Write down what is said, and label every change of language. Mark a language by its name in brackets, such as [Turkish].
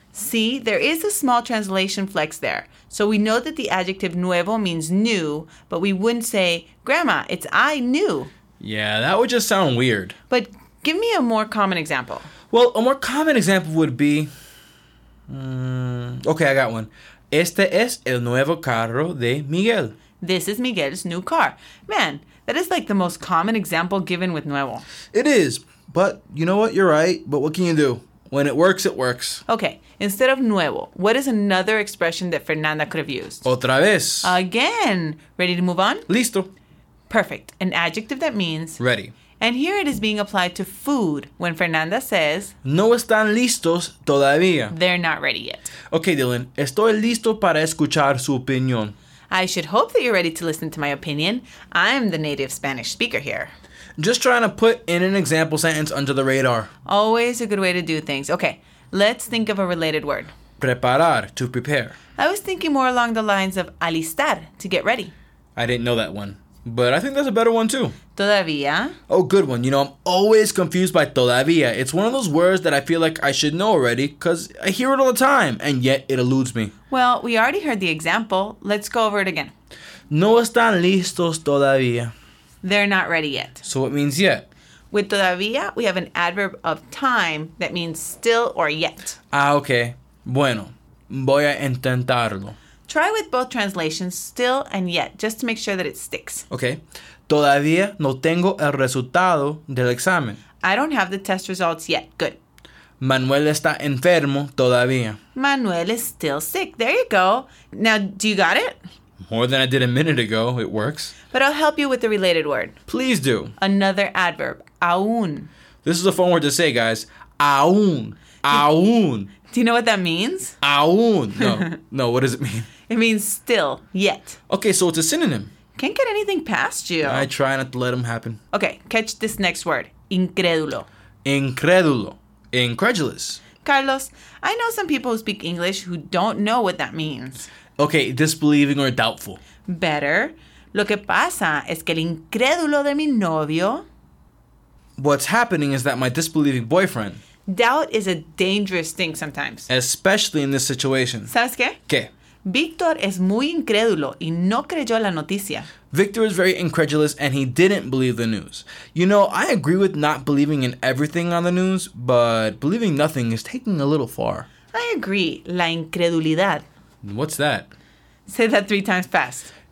[English] See, there is a small translation flex there. So we know that the adjective nuevo means new, but we wouldn't say, Grandma, it's I, new. Yeah, that would just sound weird. But give me a more common example. Well, a more common example would be... okay, I got one. [Spanish] Este es el nuevo carro de Miguel. [English] This is Miguel's new car. Man, that is like the most common example given with nuevo. It is, but you know what? You're right, but what can you do? When it works, it works. Okay, instead of nuevo, what is another expression that Fernanda could have used? [Spanish] Otra vez. [English] Again. Ready to move on? [Spanish] Listo. [English] Perfect. An adjective that means... Ready. And here it is being applied to food when Fernanda says... [Spanish] No están listos todavía. [English] They're not ready yet. Okay, Dylan. [Spanish] Estoy listo para escuchar su opinión. [English] I should hope that you're ready to listen to my opinion. I'm the native Spanish speaker here. Just trying to put in an example sentence under the radar. Always a good way to do things. Okay, let's think of a related word. Preparar, to prepare. I was thinking more along the lines of alistar, to get ready. I didn't know that one, but I think that's a better one too. [Spanish] Todavía. [English] Oh, good one. You know, I'm always confused by todavía. It's one of those words that I feel like I should know already because I hear it all the time and yet it eludes me. Well, we already heard the example. Let's go over it again. [Spanish] No están listos todavía. [English] They're not ready yet. So it means yet. With todavía, we have an adverb of time that means still or yet. Ah, okay. [Spanish] Bueno, voy a intentarlo. [English] Try with both translations, still and yet, just to make sure that it sticks. Okay. [Spanish] Todavía no tengo el resultado del examen. [English] I don't have the test results yet. Good. [Spanish] Manuel está enfermo todavía. [English] Manuel is still sick. There you go. Now, do you got it? More than I did a minute ago. It works. But I'll help you with the related word. Please do. Another adverb. Aún. This is a fun word to say, guys. [Spanish] Aún. Aún. [English] Do you know what that means? Aún. No. No, what does it mean? It means still, yet. Okay, so it's a synonym. Can't get anything past you. I try not to let them happen. Okay, catch this next word. Incrédulo. Incrédulo. Incredulous. Carlos, I know some people who speak English who don't know what that means. Okay, disbelieving or doubtful. Better. [Spanish] Lo que pasa es que el incrédulo de mi novio... [English] What's happening is that my disbelieving boyfriend... Doubt is a dangerous thing sometimes. Especially in this situation. [Spanish] ¿Sabes qué? ¿Qué? Víctor es muy incrédulo y no creyó la noticia. [English] Victor is very incredulous and he didn't believe the news. You know, I agree with not believing in everything on the news, but believing nothing is taking a little far. I agree. La incredulidad. What's that? Say that three times fast.